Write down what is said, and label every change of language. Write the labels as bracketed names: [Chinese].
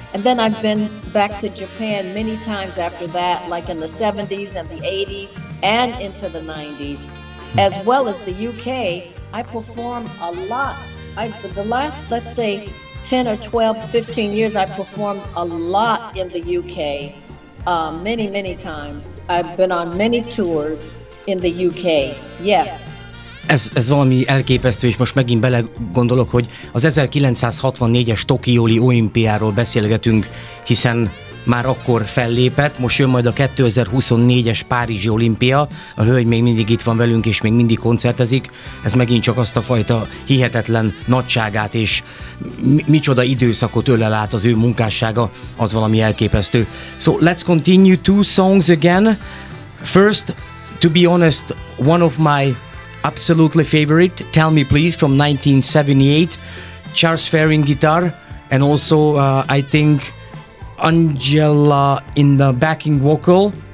[English] And then I've been back to Japan many times after that, like in the 70s and the 80s and into the 90s, as well as the UK. I perform a lot. The last, let's say, 10 or 12, 15 years, I performed a lot in the UK, many, many times. I've been on many tours in the UK, yes. [Hungarian] Ez valami elképesztő, és most megint belegondolok, hogy az 1964-es Tokiói olimpiáról beszélgetünk, hiszen már akkor fellépett, most jön majd a 2024-es Párizsi olimpia, a hölgy még mindig itt van velünk, és még mindig koncertezik, ez megint csak azt a fajta hihetetlen nagyságát, és micsoda időszakot ölel át az ő munkássága, az valami elképesztő. [English] So, let's continue two songs again. First, to be honest, one of my absolutely favorite, Tell Me Please, from 1978, Charles Fehring guitar, and also I think Angela in the backing vocal.